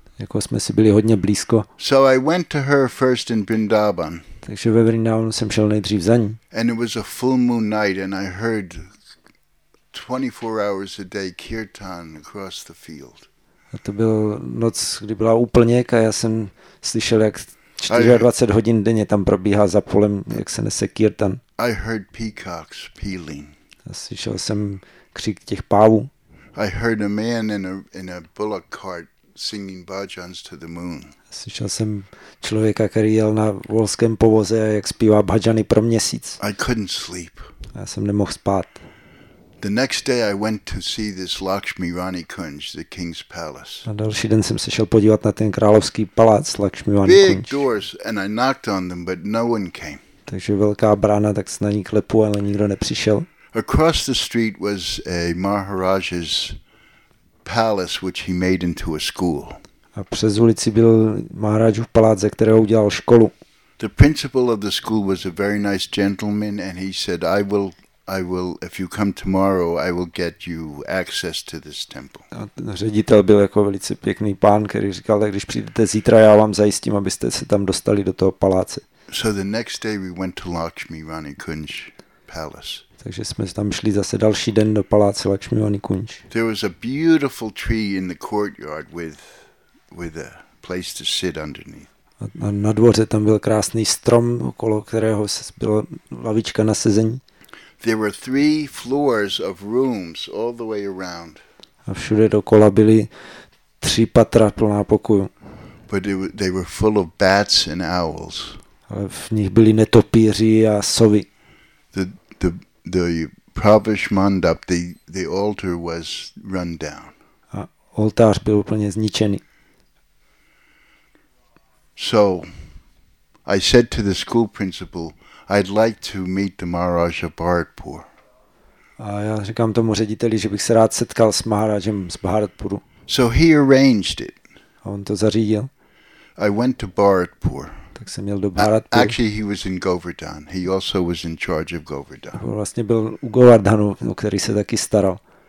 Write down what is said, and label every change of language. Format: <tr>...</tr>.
<cs>Jako jsme si byli hodně blízko.</cs> <en>So I went to her first in Vrindavan.</en> <cs>Takže ve Vrindavanu jsem šel nejdřív za ní.</cs> <en>And it was a full moon night and I heard 24 hours a day kirtan across the field.</en> <cs>A to byl noc, kdy byla úplněk a já jsem slyšel, jak 24 hodin denně tam probíhá za polem, jak se nese kirtan.</cs> <en>I heard peacocks peeling.</en> <cs>A slyšel jsem křik těch pávů.</cs> <en>I heard a man in a bullock cart singing bhajans to the moon.</en> <cs>Slyšel jsem člověka, který jel na volském povoze a jak zpívá bhajany pro měsíc.</cs> <en>I couldn't sleep.</en> <cs>Já jsem nemohl spát.</cs> <en>The next day I went to see this Lakshmi Rani Kunj, the king's palace.</en> <cs>A další den jsem se šel podívat na ten královský palác Lakshmi Rani Kunj.</cs> <en>Big doors and I knocked on them, but no one came.</en> <cs>Takže velká brána, tak se na ní klepu, ale nikdo nepřišel.</cs> <en>Across the street was a Maharaja's palace, which he made into a school.</en> <cs>A přes ulici byl Maharajův palác, ze kterého udělal školu.</cs> <en>The principal of the school was a very nice gentleman and he said, I will, if you come tomorrow, I will get you access to this temple.</en> <cs>A ředitel byl jako velice pěkný pán, který říkal, když přijdete zítra, já vám zajistím, abyste se tam dostali do toho paláce.</cs> <en>So the next day we went to Lakshmi Rani Kunj Palace.</en> <cs>Takže jsme tam šli zase další den do paláce Lakshmi Rani Kunj.</cs> <en>There was a beautiful tree in the courtyard with a place to sit underneath.</en> <cs>A na dvoře tam byl krásný strom, okolo kterého byla lavička na sezení.</cs> <en>There were three floors of rooms all the way around.</en> <cs>A všude dokola byly tři patra plná pokojů.</cs> <en>But they were full of bats and owls.</en> <cs>Ale v nich byly netopíři a sovy.</cs> <en>The pravish mandap, the altar was run down.</en> <cs>A oltář byl úplně zničený.</cs> <en>So I said to the school principal, I'd like to meet the Maharaj of Bharatpur.</en> <cs>A já říkám tomu řediteli, že bych se rád setkal s Maharajem z Bharatpuru.</cs> <en>So he arranged it.</en> <cs>A on to zařídil.</cs> <en>I went to Bharatpur.</en> <cs>Tak se měl do Bharatpur.</cs> <en>Actually, he was in Govardhan. He also was in charge of Govardhan.</en> <cs>On vlastně byl u Govardhanu, o který se taky staral.</cs>